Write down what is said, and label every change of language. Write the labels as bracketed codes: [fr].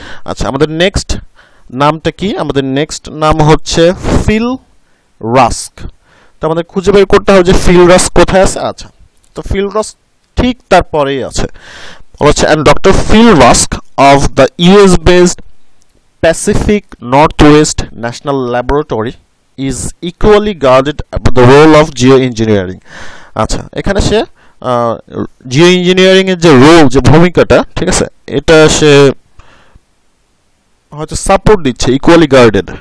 [bn] আচ্ছা, আমাদের নেক্সট নামটা কি, আমাদের নেক্সট নাম হচ্ছে ফিল রাস্ক। তো আমাদের খুঁজে বের করতে হবে যে ফিল রাস্ক কোথায় আছে। আচ্ছা, তো ফিল রাস্ক ঠিক তারপরেই আছে, বলছে [en] And doctor Phil Rasch of the US based Pacific Northwest National Laboratory is equally guarded by the role of geoengineering. [bn] আচ্ছা এখানে সে geoengineering এর যে রোল যে ভূমিকাটা ঠিক আছে এটা সে হয়তো সাপোর্ট দিচ্ছে [en] equally guarded.